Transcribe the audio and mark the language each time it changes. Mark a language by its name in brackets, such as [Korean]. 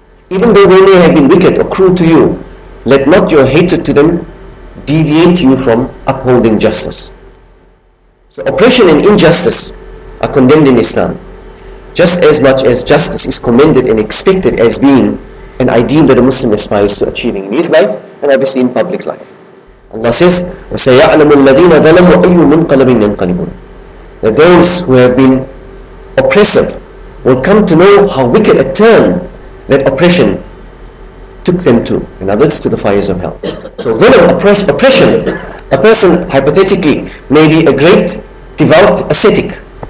[English] Even though they may have been wicked or cruel to you, let not your hatred to them deviate you from upholding justice. So oppression and injustice are condemned in Islam, just as much as justice is commended and expected as being an ideal that a Muslim aspires to achieving in his life and obviously in public life. Allah says, [Arabic] وَسَيَعْلَمُ الَّذِينَ ظَلَمُوا أَيُّ مُنْقَلَبٍ يَنْقَلِبُونَ. [English] That those who have been oppressive will come to know how wicked a turn that oppression took them to. In other words, to the fires of hell. So villain oppression, a person hypothetically may be a great devout ascetic.